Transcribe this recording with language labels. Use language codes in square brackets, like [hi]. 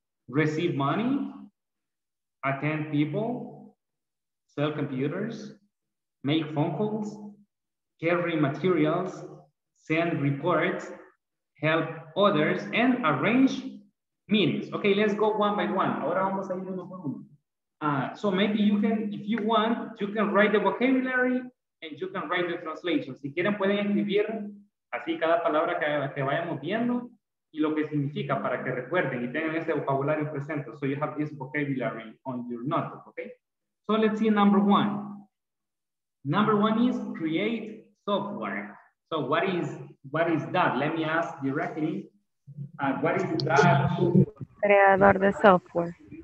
[en] Receive money, attend people, sell computers, make phone calls, carry materials, send reports, help others, and arrange meetings. Okay, let's go one by one. [es] Ahora vamos a ir uno por uno. [en] So maybe you can, if you want, you can write the vocabulary and you can write the translation. [es] Si quieren pueden escribir así cada palabra que vayamos viendo y lo que significa para que recuerden y tengan ese vocabulario presente. [en] So you have this vocabulary on your notebook, okay? So let's see number one. Number one is create software. So what is that? Let me ask directly. What is that? [es] Creador de software.